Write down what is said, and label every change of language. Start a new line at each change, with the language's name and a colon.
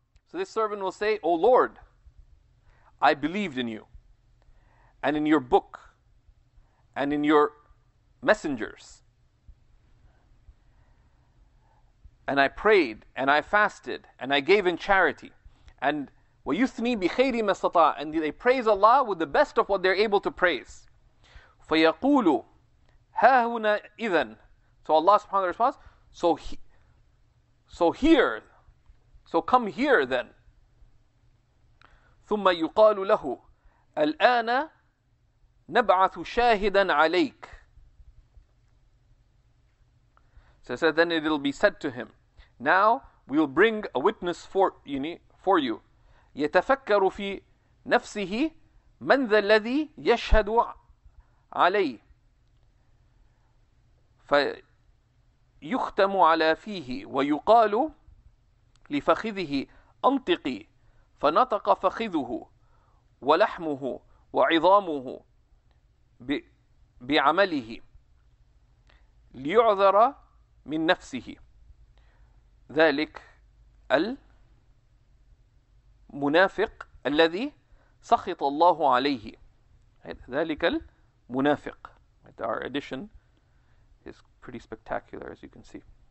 English: So this servant will say, O Lord, I believed in you, and in your book, and in your messengers. And I prayed, and I fasted, and I gave in charity. And
Arabic: وَيُثْنِي بِخَيْرِ مَا اسْتَطَاعَ.
English: And they praise Allah with the best of what they're able to praise.
Arabic: فَيَقُولُ هَا هُنَا إِذَن.
English: So Allah subhanahu wa ta'ala responds, so come here then.
Arabic: ثُمَّ يُقَالُ لَهُ الْآنَ نَبْعَثُ شَاهِدًا عَلَيْكَ.
English: So then it'll be said to him, now we will bring a witness for you.
Arabic: يتفكر في نفسه من ذا الذي يشهد علي فيختم على فيه ويقال لفخذه أنطقي فنطق فخذه ولحمه وعظامه بعمله ليعذر من نفسه ذلك المنافق الذي سخط الله عليه ذلك المنافق.
English: Our edition is pretty spectacular, as you can see.